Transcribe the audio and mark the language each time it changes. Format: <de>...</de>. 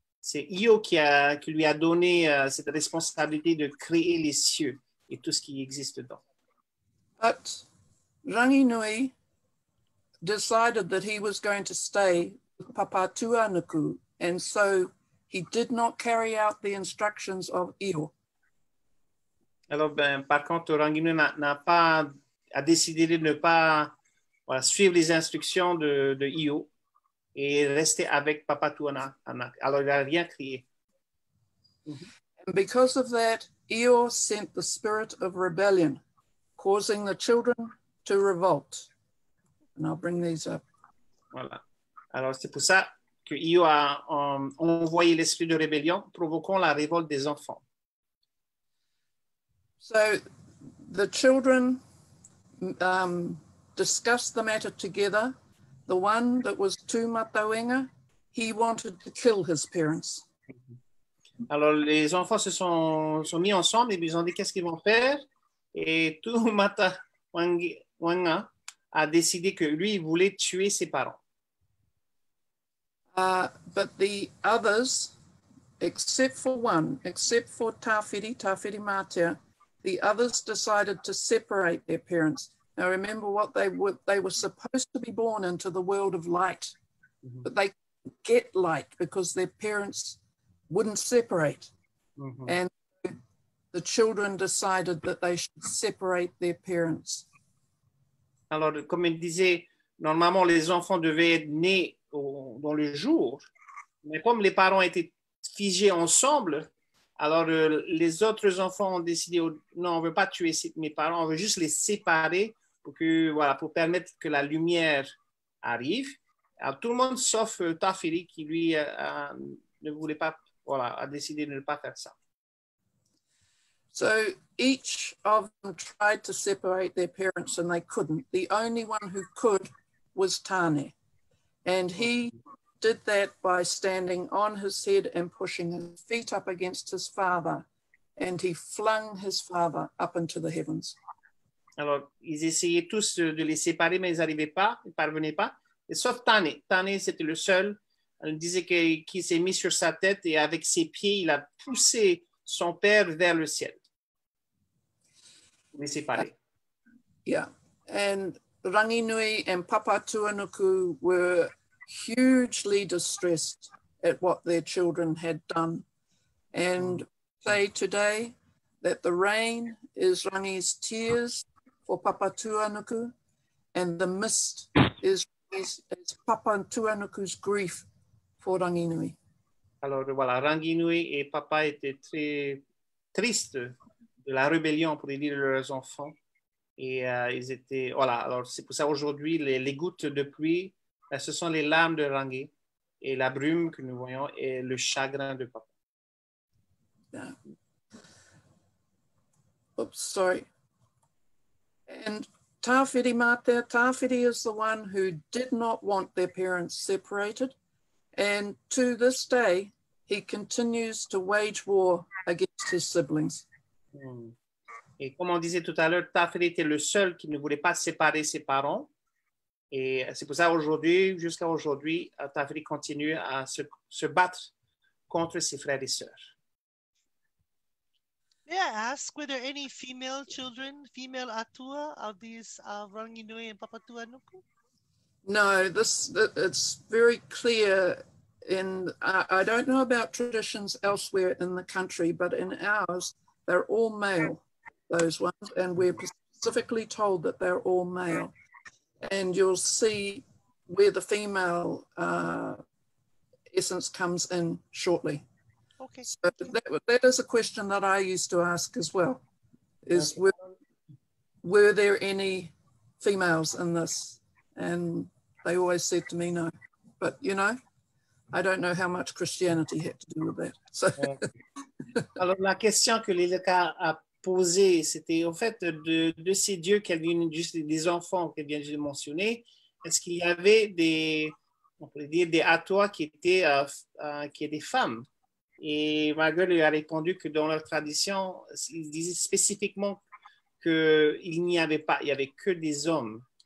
<fr>C'est Io qui lui a donné cette responsabilité de créer les cieux et tout ce qui existe dedans.</fr> <en>But Ranginui decided that he was going to stay with Papatuanuku, and so he did not carry out the instructions of Io.</en> <fr>Alors, ben, par contre, Ranginui a décidé de ne pas voilà, suivre les instructions de Io et rester avec Papatuanuku. Alors, il n'a rien crié.</fr> <en>And because of that, Io sent the spirit of rebellion, causing the children to revolt. And I'll bring these up.</en> <fr>Voilà. Alors, c'est pour ça que Io a envoyé l'esprit de rébellion, provoquant la révolte des enfants.</fr> <en>So, the children discussed the matter together. The one that was Tūmatawenga, he wanted to kill his parents.</en> <fr>Alors, les enfants se sont mis ensemble et ils ont dit qu'est-ce qu'ils vont faire. Et Tūmatawenga a décidé que lui, il voulait tuer ses parents.</fr> <en>But the others, except for one, except for Tāwhiri Mātea, the others decided to separate their parents. Now remember what they were supposed to be born into the world of light, mm-hmm. but they couldn't get light because their parents wouldn't separate. Mm-hmm. And the children decided that they should separate their parents.</en> <fr>Alors, comme il disait, normalement, les enfants devaient être nés dans le jour. Mais comme les parents étaient figés ensemble, alors les autres enfants ont décidé, non, on ne veut pas tuer mes parents, on veut juste les séparer pour permettre que la lumière arrive. Alors, tout le monde, sauf Tāwhiri, qui lui ne voulait pas, a décidé de ne pas faire ça.</fr> <en>So each of them tried to separate their parents and they couldn't. The only one who could was Tāne. And he did that by standing on his head and pushing his feet up against his father. And he flung his father up into the heavens.</en> <fr>Alors, ils essayaient tous de les séparer, mais ils n'arrivaient pas, ils ne parvenaient pas. Et sauf Tāne. Tāne, c'était le seul. Elle disait qu'il s'est mis sur sa tête et avec ses pieds, il a poussé son père vers le ciel.</fr> <en>Yeah, and Ranginui and Papatuanuku were hugely distressed at what their children had done. And say today that the rain is Rangi's tears for Papatuanuku, and the mist is Papatuanuku's grief for Ranginui.</en> <fr>Alors voilà, Ranginui et papa étaient très tristes de la rébellion pour les vies de leurs enfants. Et ils étaient, voilà, alors c'est pour ça aujourd'hui, les gouttes de pluie, là, ce sont les larmes de Rangi. Et la brume que nous voyons est le chagrin de papa.</fr> <en>Yeah. Oops, sorry. And Tawhiri Mate, Tawhiri is the one who did not want their parents separated. And to this day, he continues to wage war against his siblings.</en> <fr>Et comme on disait tout à l'heure, Tawhiri était le seul qui ne voulait pas séparer ses parents. Et c'est pour ça aujourd'hui, jusqu'à aujourd'hui, Tawhiri continue à se battre contre ses frères et sœurs.</fr> <en>May I ask, were there any female children, female atua of these Ranginui and Papatuanuku? No, it's very clear in, I don't know about traditions elsewhere in the country, but in ours, they're all male, those ones, and we're specifically told that they're all male. And you'll see where the female essence comes in shortly. Okay. So that is a question that I used to ask as well, is okay. were there any females in this? And they always said to me, no. But, you know, I don't know how much Christianity had to do with that. So. Okay.</en> <fr>Alors, la question que Lilika a posée, c'était au fait de ces dieux qu'elle vient juste des enfants qu'elle vient de mentionner, est-ce qu'il y avait des, on pourrait dire, des atois qui étaient des femmes? Et Margaret lui a répondu que dans leur tradition, ils disaient spécifiquement qu'il n'y avait pas, il n'y avait que des hommes.</fr>